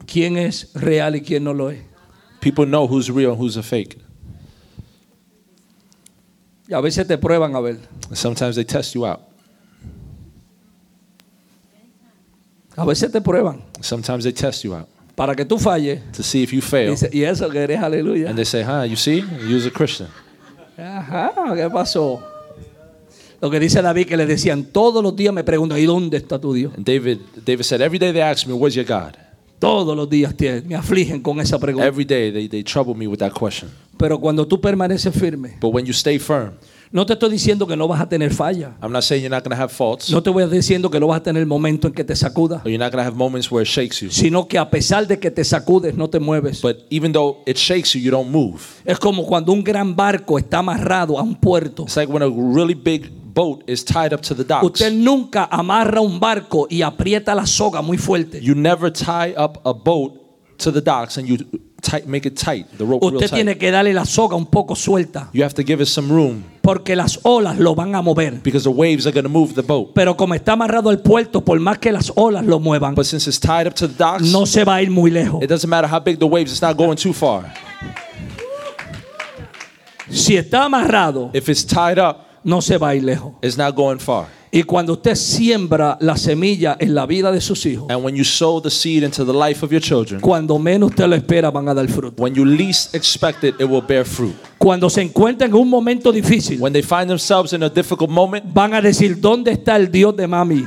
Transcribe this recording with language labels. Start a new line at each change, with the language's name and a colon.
Spanish: ¿quién es real y quién no lo es?
English: People know who's real and who's a fake.
Spanish: Y a veces te prueban a ver.
English: Sometimes they test you out.
Spanish: A veces te prueban.
English: Sometimes they test you out.
Spanish: Para que tú falles.
English: To see if you fail.
Spanish: Y eso que eres aleluya.
English: And they say, huh, you see? You're a Christian.
Spanish: Ajá, ¿qué pasó? Lo que dice David que le decían todos los días me preguntan ¿y dónde está tu Dios?
English: David said every day they ask me where's your God.
Spanish: Todos los días me afligen con esa pregunta.
English: Every day they trouble me with that question.
Spanish: Pero cuando tú permaneces firme.
English: But when you stay firm.
Spanish: No te estoy diciendo que no vas a tener falla.
English: I'm not saying you're not going to have faults.
Spanish: No te voy diciendo que no vas a tener momento en que te sacuda.
English: You're not going to have moments where it shakes you.
Spanish: Sino que a pesar de que te sacudes, no te mueves.
English: But even though it shakes you, you don't move.
Spanish: Es como cuando un gran barco está amarrado a un puerto.
English: It's like when a really big boat is tied up to the docks.
Spanish: Usted nunca amarra un barco y aprieta la soga muy fuerte.
English: You never tie up a boat to the docks and you make it tight, the rope
Spanish: usted
English: real tight.
Spanish: Tiene que darle la soga un poco suelta.
English: You have to give it some room.
Spanish: Porque las olas lo van a mover.
English: Because the waves are going to move the boat.
Spanish: Pero como está amarrado al puerto, por más que las olas lo muevan,
English: but since it's tied up to the docks,
Spanish: no se va a ir muy lejos.
English: It doesn't matter how big the waves, it's not going too far.
Spanish: Si está amarrado,
English: if it's tied up,
Spanish: no se va a ir lejos.
English: It's not going far.
Spanish: Y cuando usted siembra la semilla en la vida de sus hijos,
English: and when you sow the seed into the life of your children,
Spanish: cuando menos usted lo espera, van a dar fruto.
English: When you least expect it, it will bear fruit.
Spanish: Cuando se encuentran en un momento difícil,
English: when they find themselves in a difficult moment,
Spanish: van a decir, ¿dónde está el Dios de mami?